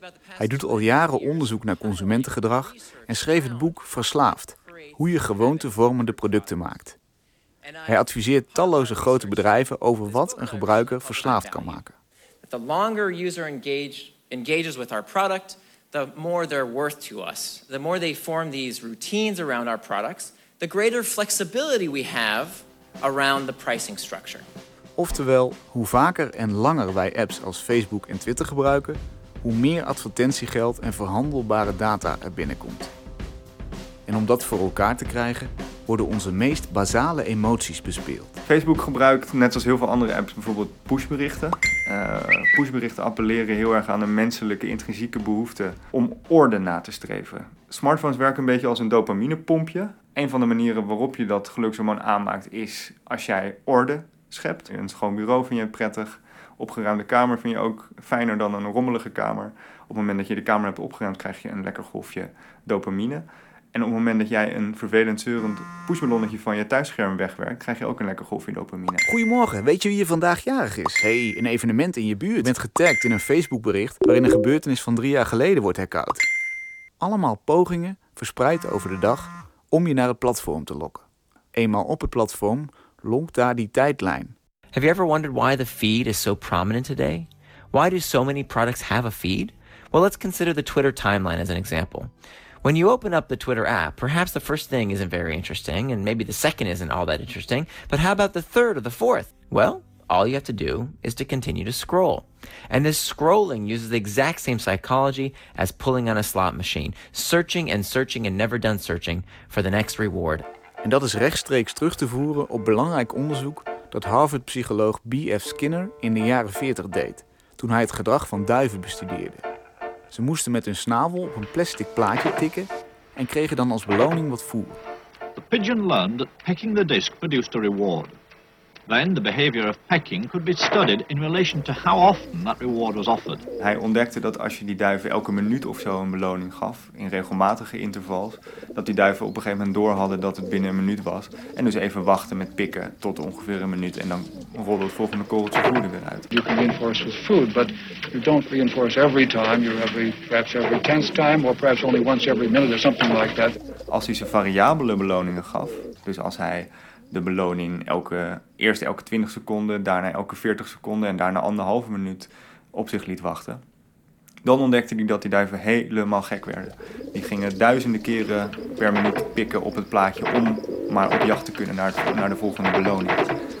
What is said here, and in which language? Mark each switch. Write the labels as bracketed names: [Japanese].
[Dutch] Hij doet al jaren onderzoek naar consumentengedrag en schreef het boek Verslaafd, hoe je gewoontevormende producten maakt. Hij adviseert talloze grote bedrijven over wat een gebruiker verslaafd kan maken. [English] The longer user engages with our product, the more they're worth to us. The more they form these routines around our products, the greater flexibility we have around the pricing structure. [Dutch] Oftewel, hoe vaker en langer wij apps als Facebook en Twitter gebruiken, hoe meer advertentiegeld en verhandelbare data er binnenkomt. En om dat voor elkaar te krijgen, worden onze meest basale emoties bespeeld. Facebook gebruikt, net zoals heel veel andere apps, bijvoorbeeld pushberichten. Pushberichten appelleren heel erg aan een menselijke, intrinsieke behoefte om orde na te streven. Smartphones werken een beetje als een dopaminepompje. Een van de manieren waarop je dat gelukshormoon aanmaakt is als jij orde schept. Een schoon bureau vind je prettig. Opgeruimde kamer vind je ook fijner dan een rommelige kamer. Op het moment dat je de kamer hebt opgeruimd, krijg je een lekker golfje dopamine. En op het moment dat jij een vervelend, zeurend pushballonnetje van je thuisscherm wegwerkt, krijg je ook een lekker golfje dopamine. Goedemorgen, weet je wie je vandaag jarig is? Hey, een evenement in je buurt. Je bent getagd in een Facebookbericht waarin een gebeurtenis van 3 jaar geleden wordt herkoud. Allemaal pogingen, verspreid over de dag, om je naar het platform te lokken. Eenmaal op het platform, lonkt daar die tijdlijn. [English] Have you ever wondered why the feed is so prominent today? Why do so many products have a feed? Well, let's consider the Twitter timeline as an example. When you open up the Twitter app, perhaps the first thing isn't very interesting, and maybe the second isn't all that interesting, but how about the third or the fourth? Well, all you have to do is to continue to scroll. And this scrolling uses the exact same psychology as pulling on a slot machine, searching and searching and never done searching for the next reward. [Dutch] En dat is rechtstreeks terug te voeren op belangrijk onderzoek dat Harvard-psycholoog B.F. Skinner in de jaren 40 deed, toen hij het gedrag van duiven bestudeerde. Ze moesten met hun snavel op een plastic plaatje tikken en kregen dan als beloning wat voer. [English] The pigeon learned that pecking the disc produced a reward. Then the behavior of pecking could be studied in relation to how often that reward was offered. [Dutch] Hij ontdekte dat als je die duiven elke minuut of zo een beloning gaf, in regelmatige intervals, dat die duiven op een gegeven moment door hadden dat het binnen een minuut was. En dus even wachten met pikken tot ongeveer een minuut en dan rolde het volgende korreltje voer er weer uit. [English] You can reinforce with food, but you don't reinforce every time, you every perhaps every tenth time or perhaps only once every minute or something like that. [Dutch] Als hij ze variabele beloningen gaf, dus als hij de beloning eerst elke 20 seconden, daarna elke 40 seconden en daarna anderhalve minuut op zich liet wachten. Dan ontdekte hij dat die duiven helemaal gek werden. Die gingen duizenden keren per minuut pikken op het plaatje om maar op jacht te kunnen naar de volgende beloning.